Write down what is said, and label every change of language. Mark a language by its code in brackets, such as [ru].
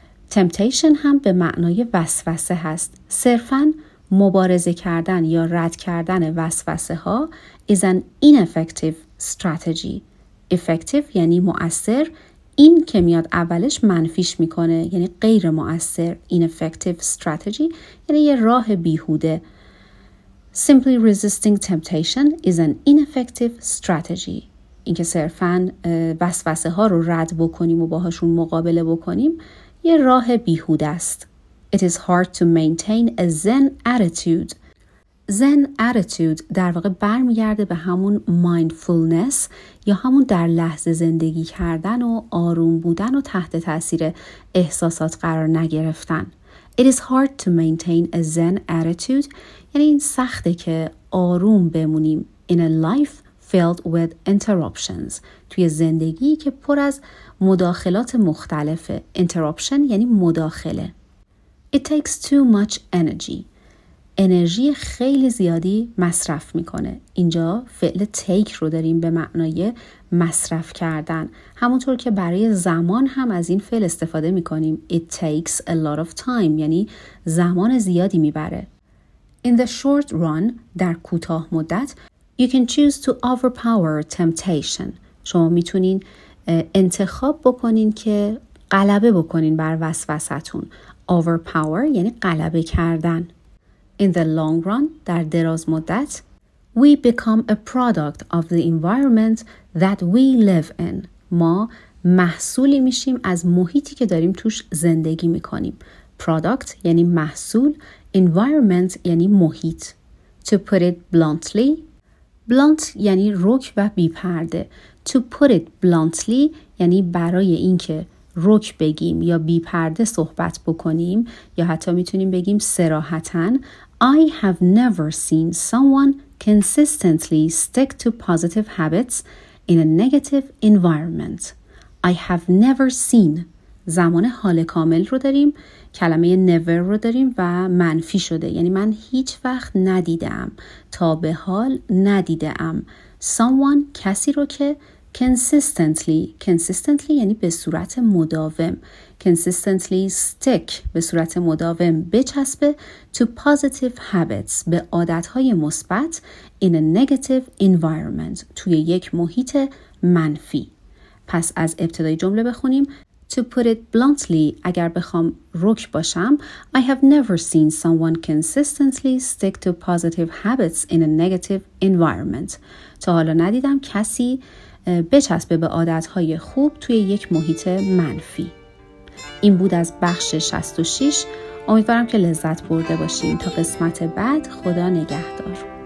[fa] Temptation هم به معنای وسوسه هست. صرفاً مبارزه کردن یا رد کردن وسوسه ها [en] is an ineffective strategy. [fa] Effective یعنی مؤثر. این که میاد اولش منفیش میکنه، یعنی غیر مؤثر. [en] Ineffective strategy [fa] یعنی یه راه بیهوده. [en] Simply resisting temptation is an ineffective strategy. [fa] این که صرفاً وسوسه ها رو رد بکنیم و باهاشون مقابله بکنیم یه راه بیهوده است. [en] It is hard to maintain a zen attitude. [fa] زن اتیتود در واقع برمیگرده به همون مایندفولنس یا همون در لحظه زندگی کردن و آروم بودن و تحت تأثیر احساسات قرار نگرفتن. [en] It is hard to maintain a zen attitude. [fa] یعنی این سخته که آروم بمونیم [en] in a life filled with interruptions. [fa] توی زندگی که پر از مداخلات مختلفه. Interruption یعنی مداخله. [en] It takes too much energy. [fa] انرژی خیلی زیادی مصرف میکنه. اینجا فعل take رو داریم به معنای مصرف کردن. همونطور که برای زمان هم از این فعل استفاده میکنیم. [en] It takes a lot of time. [fa] یعنی زمان زیادی میبره. [en] In the short run, [fa] در کوتاه مدت, [en] you can choose to overpower temptation. [fa] شما میتونین انتخاب بکنین که غلبه بکنین بر وسوسه‌تون. Overpower یعنی غلبه کردن. [en] In the long run, [fa] در دراز مدت, [en] we become a product of the environment that we live in. [fa] ما محصولی میشیم از محیطی که داریم توش زندگی میکنیم. Product یعنی محصول, environment یعنی محیط. [en] To put it bluntly, blunt [fa] یعنی رک و بیپرده. [en] To put it bluntly [fa] یعنی برای اینکه رک بگیم یا بیپرده صحبت بکنیم یا حتی میتونیم بگیم صراحتاً, [en] I have never seen someone consistently stick to positive habits in a negative environment. I have never seen. [fa] زمان حال کامل رو داریم. کلمه never رو داریم و منفی شده. یعنی من هیچ وقت ندیدم. تا به حال ندیدم. Someone کسی رو که consistently یعنی به صورت مداوم. [en] Consistently stick [fa] به صورت مداوم بچسبه [en] to positive habits [fa] به عادتهای مثبت [en] in a negative environment [fa] توی یک محیط منفی. پس از ابتدای جمله بخونیم. [en] To put it bluntly, [fa] اگر بخوام رک باشم, [en] I have never seen someone consistently stick to positive habits in a negative environment. [fa] تا حالا ندیدم کسی بچسبه به عادتهای خوب توی یک محیط منفی. این بود از بخش 66. امیدوارم که لذت برده باشین. تا قسمت بعد خدا نگهدار.